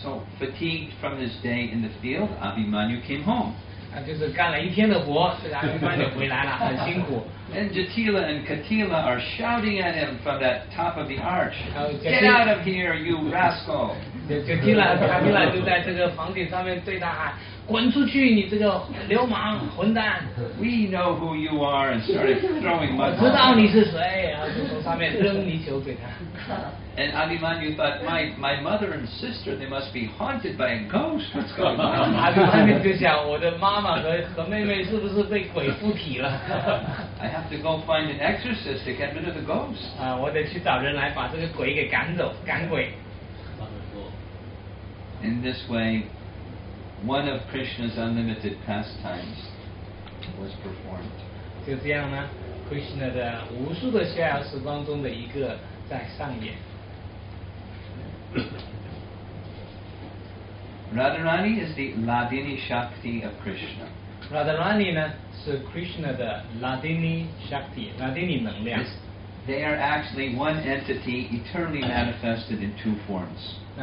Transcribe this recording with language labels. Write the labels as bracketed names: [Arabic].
[English] So fatigued from his day in the field, Abhimanyu came home. [Chinese] 就是干了一天的活，这个阿比曼纽回来了，很辛苦。 [English] And Jatila and Katila are shouting at him from that top of the arch. Get out of here, you rascal! [Chinese] Jatila and Katila 就在这个房顶上面对他喊：“滚出去，你这个流氓混蛋！” [English] We know who you are, and started throwing mud. [Chinese] 我知道你是谁，然后就从上面扔泥球给他。 [English] And Abhimanyu thought, my mother and sister, they must be haunted by a ghost. What's going on? [Chinese] Abhimanyu 就想，我的妈妈和妹妹是不是被鬼附体了？ [English] I have to go find an exorcist to get rid of the ghost. [Chinese] 我得去找人来把这个鬼给赶走，赶鬼。 [English] In this way, one of Krishna's unlimited pastimes was performed. [Chinese] 就这样呢， Krishna的无数的逍遥时光中的一个在上演。 [English] Radharani is the Ladini Shakti of Krishna. [Chinese] Radharani 呢是 Krishna 的 Ladini Shakti, Ladini 能量。 [English] They are actually one entity eternally manifested in two forms.